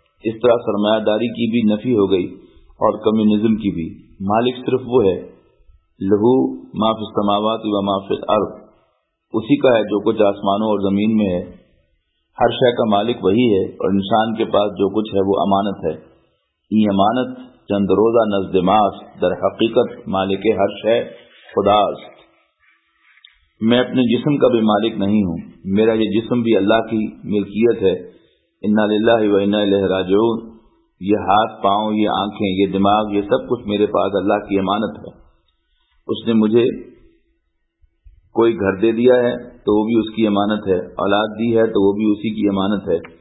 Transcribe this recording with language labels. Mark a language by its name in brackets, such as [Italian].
[Urdu] اس طرح سرمایہ داری کی بھی نفی ہو گئی اور کمیونزم کی بھی. مالک صرف وہ ہے, [Arabic] لہو ما فی السماوات و ما فی الارض, [Urdu] اسی کا ہے جو کچھ آسمانوں اور زمین میں ہے. ہر شے کا مالک وہی ہے, اور انسان کے پاس جو کچھ ہے وہ امانت ہے. [Persian] یہ امانت چند روزہ نزد ماس, در حقیقت مالک ہر شے خدا است. [Urdu] میں اپنے جسم کا بھی مالک نہیں ہوں, میرا یہ جسم بھی اللہ کی ملکیت ہے. [Arabic] انا للہ و انا الیہ راجعون, [Urdu] یہ ہاتھ پاؤں, یہ آنکھیں, یہ دماغ, یہ سب کچھ میرے پاس اللہ کی امانت ہے. اس نے مجھے کوئی گھر دے دیا ہے تو وہ بھی اس کی امانت ہے, اولاد دی ہے تو وہ بھی اسی کی امانت ہے.